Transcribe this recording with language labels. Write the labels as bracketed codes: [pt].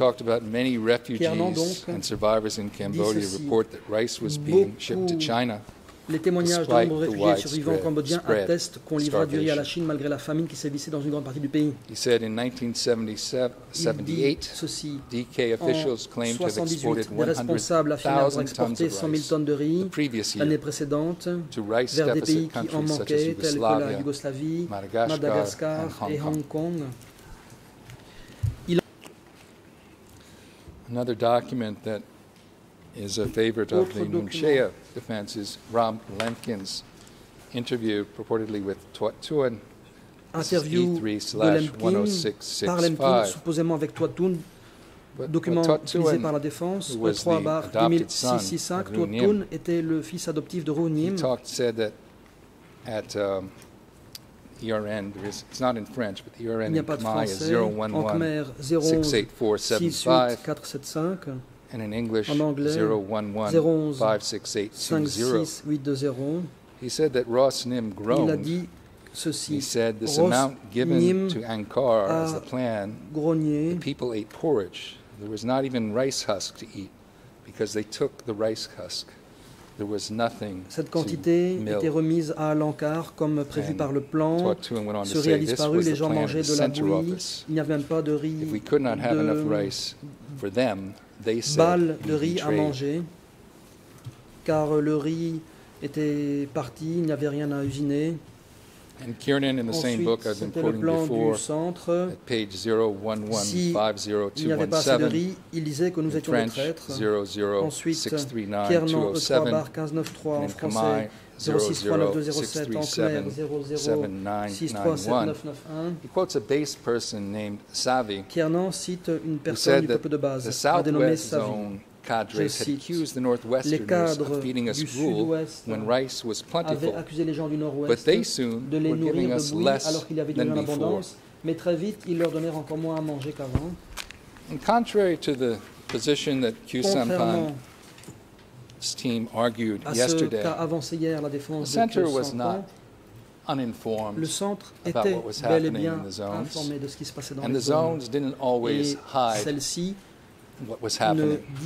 [en] You talked about many refugees and survivors in Cambodia report that rice was being shipped to China. [fr] Les témoignages de nombreux réfugiés survivants cambodgiens attestent qu'on livra du riz à la Chine malgré la famine qui sévissait dans une grande partie du pays. [en] He said in 1978, DK officials claimed to have exported 100,000 tons of rice the previous year, [fr] l'année précédente, vers des pays qui en manquaient, tels que la Yougoslavie, Madagascar et Hong Kong. [en] Another document that is a favorite of the Nunchea defense is Ram Lemkin's interview purportedly with Tuat Tun. Interview E3/10665. Supposedly with Tuat Tun. [fr] Document utilisé par la défense. E3/2665. Tuat Tun était le fils adoptif de Roo Nim. [en] He talked, said that at ERN, it's not in French, but the ERN in Khmer is 011-684-75. And in English, 011-568-20. He said that Ross Nim groaned. He said this amount given to Angkor as the plan, the people ate porridge. There was not even rice husk to eat because they took the rice husk. There was nothing to milk. [fr] Cette quantité était remise à l'Angkor comme prévu par le plan. Ce riz a disparu, les gens mangeaient de la bouillie. Il n'y avait même pas de riz. [en] If we could not have enough rice for them, they said [fr] balle de riz à manger, car le riz était parti, il n'y avait rien à usiner. [en] And Kiernan, in the [fr] ensuite, [en] same book I've been quoting before, [fr] centre, [en] at page 011-50217, [fr] si [en] in French 00639207, in Khmer 00637-79991. He quotes a base person named Savi, [fr] Kiernan cite une personne du peuple de base, [en] the Southwest Zone cadres had accused the Northwesterners of feeding us gruel when rice was plentiful, but they soon were giving us less than before. [fr] Mais très vite, ils leur donnèrent encore moins à manger qu'avant. [en] And contrary to the position that Khieu Samphan team argued yesterday, [fr] avancé hier, la défense [en] the center [fr] de [en] was not uninformed about what was happening in the zones, and the zones didn't always hide what was happening.